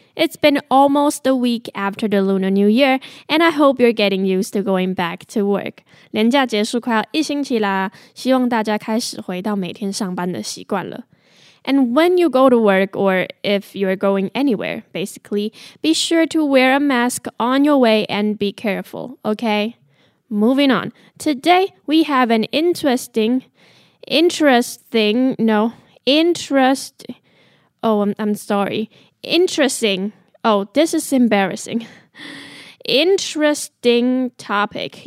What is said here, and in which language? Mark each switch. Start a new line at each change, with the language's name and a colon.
English: It's been almost a week after the Lunar New Year, and I hope you're getting used to going back to work.
Chinese: 连假结束快要一星期啦，希望大家开始回到每天上班的习惯了。
English: And when you go to work or if you're going anywhere, basically, be sure to wear a mask on your way and be careful, okay? Moving on. Today, we have an interesting topic.